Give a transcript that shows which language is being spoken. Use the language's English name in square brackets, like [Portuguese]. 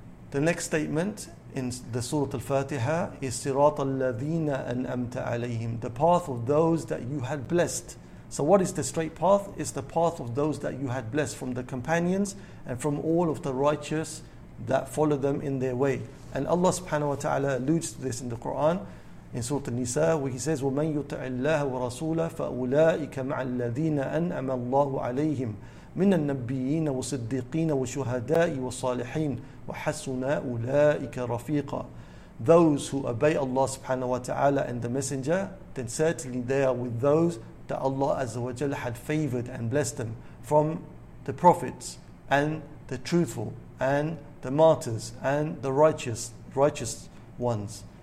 [English] The next statement in the Surah Al-Fatiha is Sirat al-Ladina an'amta alayhim, the path of those that you had blessed. So what is the straight path? It's the path of those that you had blessed, from the companions and from all of the righteous that follow them in their way. And Allah subhanahu wa ta'ala alludes to this in the Quran, in Surah An-Nisa, where he says, [Arabic] وَمَنْ يُطِعِ اللَّهَ وَرَسُولَهُ فَأُولَٰئِكَ مَعَ الَّذِينَ أَنْعَمَ اللَّهُ عَلَيْهِمْ مِنَ النَّبِّيِّينَ وَصِدِّقِينَ وَشُهَدَاءِ وَصَالِحِينَ وَحَسُنَ أُولَٰئِكَ رَفِيقًا. [English] Those who obey Allah subhanahu wa ta'ala and the Messenger, then certainly they are with those that Allah azza wa jalla had favored and blessed them, from the prophets and the truthful and the martyrs and the righteous ones.